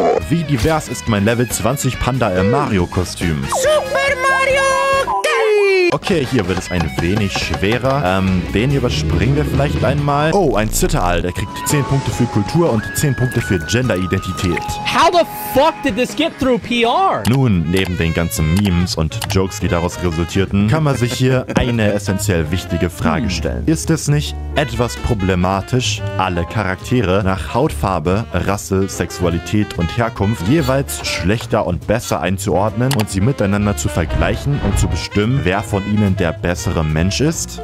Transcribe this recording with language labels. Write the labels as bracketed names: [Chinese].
[German] Wie divers ist mein Level 20 Panda im Mario-Kostüm? Super Mario! Okay, hier wird es ein wenig schwerer. Den überspringen wir vielleicht einmal. Oh, ein Zitteraal. Der kriegt 10 Punkte für Kultur und 10 Punkte für Gender-Identität. [English] How the fuck did this get through PR? [German] Nun, neben den ganzen Memes und Jokes, die daraus resultierten, kann man sich hier eine essentiell wichtige Frage stellen. Ist es nicht etwas problematisch, alle Charaktere nach Hautfarbe, Rasse, Sexualität und Herkunft jeweils schlechter und besser einzuordnen und sie miteinander zu vergleichen und zu bestimmen, wer von ihnen der bessere Mensch ist?